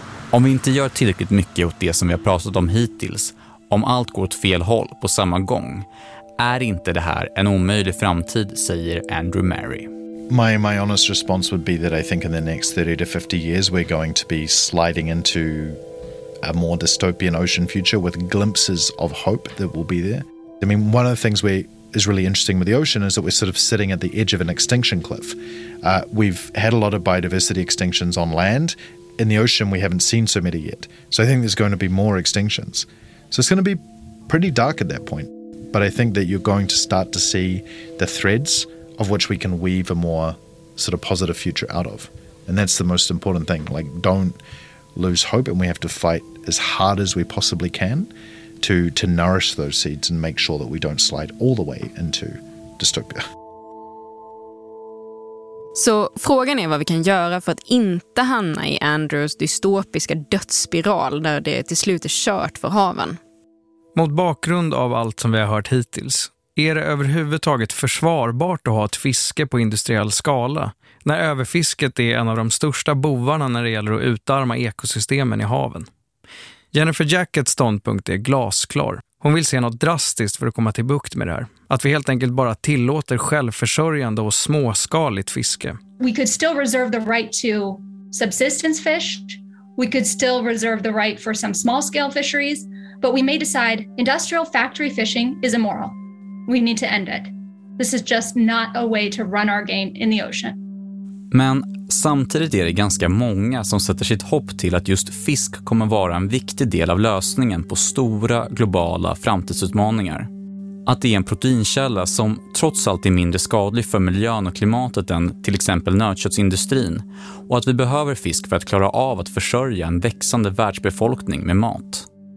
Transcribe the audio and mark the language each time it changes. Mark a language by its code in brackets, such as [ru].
[sv] Om vi inte gör tillräckligt mycket åt det som vi har pratat om hittills, om allt går åt fel håll på samma gång, är inte det här en omöjlig framtid, säger Andrew Mary. [en] My honest response would be that I think in the next 30 to 50 years we're going to be sliding into a more dystopian ocean future with glimpses of hope that will be there. I mean, one of the things we is really interesting with the ocean is that we're sort of sitting at the edge of an extinction cliff. We've had a lot of biodiversity extinctions on land. In the ocean, we haven't seen so many yet. So I think there's going to be more extinctions. So it's going to be pretty dark at that point. But I think that you're going to start to see the threads of which we can weave a more sort of positive future out of. And that's the most important thing. Like, don't lose hope, and we have to fight as hard as we possibly can to nourish those seeds and make sure that we don't slide all the way into dystopia. [sv] Så frågan är vad vi kan göra för att inte hamna i Andrews dystopiska dödsspiral där det till slut är kört för haven. Mot bakgrund av allt som vi har hört hittills, är det överhuvudtaget försvarbart att ha ett fiske på industriell skala när överfisket är en av de största bovarna när det gäller att utarma ekosystemen i haven? Jennifer Jackets ståndpunkt är glasklar. Hon vill se något drastiskt för att komma till bukt med det här. Att vi helt enkelt bara tillåter självförsörjande och småskaligt fiske. [en] We could still reserve the right to subsistence fish. We could still reserve the right for some small-scale fisheries. But we may decide industrial factory fishing is immoral. We need to end it. This is just not a way to run our game in the ocean. [sv] Men samtidigt är det ganska många som sätter sitt hopp till att just fisk kommer vara en viktig del av lösningen på stora globala framtidsutmaningar. Att det är en proteinkälla som trots allt är mindre skadlig för miljön och klimatet än till exempel nötköttsindustrin, och att vi behöver fisk för att klara av att försörja en växande världsbefolkning med mat.